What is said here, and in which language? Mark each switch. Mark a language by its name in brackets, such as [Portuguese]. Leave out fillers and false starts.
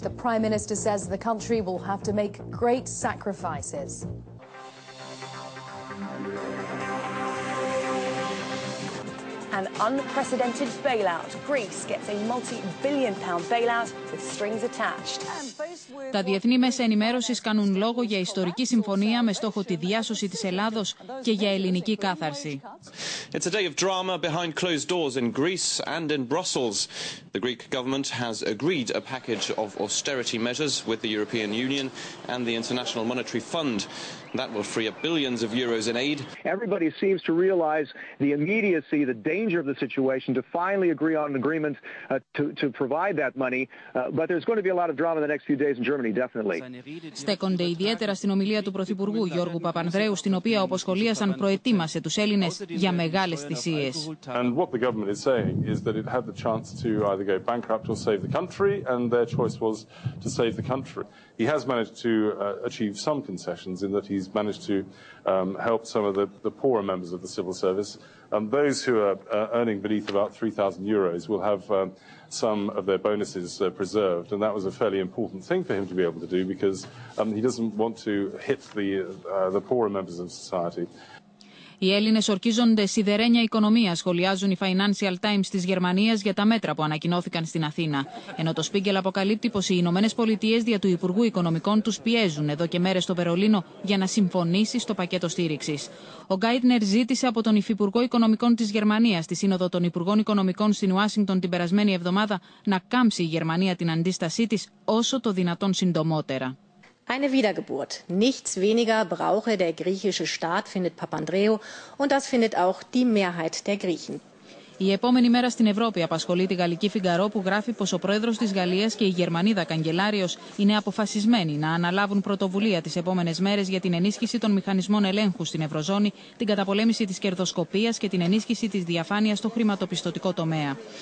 [English] The Prime Minister says the country will have to make great sacrifices. an unprecedented bailout. Greece gets a multi-billion pound bailout with strings attached. [Greek] Τα διεθνή μέσα ενημέρωσης κάνουν λόγο για ιστορική συμφωνία με στόχο τη διάσωση της Ελλάδος και για ελληνική κάθαρση. [English] It's a day of drama behind closed doors in Greece and in Brussels. The Greek government has agreed a package of austerity measures with the European Union and the International Monetary Fund. That will free up billions of euros in aid. Everybody seems to realize the immediacy, the danger of the situation, to finally agree on an agreement to provide that money. But there's going to be a lot of drama in the next few days in Germany, definitely. [Greek] Στέκονται ιδιαίτερα στην ομιλία του Πρωθυπουργού Γιώργου Παπανδρέου, στην οποία όπως σχολίασαν προετοίμασε τους Έλληνες για μεγάλες θυσίες. [English] And what the government is saying is that it had the chance to either go bankrupt or save the country, and their choice was to save the country. He has managed to achieve some concessions in that he's managed to help some of the poorer members of the civil service. Those who are earning beneath about 3,000 euros will have some of their bonuses preserved. And that was a fairly important thing for him to be able to do because he doesn't want to hit the poorer members of society. [Greek] Οι Έλληνες ορκίζονται σιδερένια οικονομία, σχολιάζουν οι Financial Times της Γερμανίας για τα μέτρα που ανακοινώθηκαν στην Αθήνα. Ενώ το Spiegel αποκαλύπτει πως οι Ηνωμένες Πολιτείες δια του Υπουργού Οικονομικών τους πιέζουν εδώ και μέρες στο Βερολίνο για να συμφωνήσει στο πακέτο στήριξης. Ο Γκάιντνερ ζήτησε από τον Υφυπουργό Οικονομικών της Γερμανίας στη Σύνοδο των Υπουργών Οικονομικών στην Ουάσιγκτον την περασμένη εβδομάδα να κάμψει η Γερμανία την αντίστασή της όσο το δυνατόν συντομότερα. [German] Eine Wiedergeburt. Nichts weniger brauche der griechische Staat, findet Papandreou, und das findet auch die Mehrheit der Griechen. [Greek] Η επόμενη μέρα στην Ευρώπη απασχολεί τη γαλλική Φιγκαρό που γράφει πως ο πρόεδρος της Γαλλίας και η Γερμανίδα Καγκελάριος είναι αποφασισμένοι να αναλάβουν πρωτοβουλία τις επόμενες μέρες για την ενίσχυση των μηχανισμών ελέγχου στην Ευρωζώνη, την καταπολέμηση της κερδοσκοπίας και την ενίσχυση της διαφάνειας στο χρηματοπιστωτικό τομέα.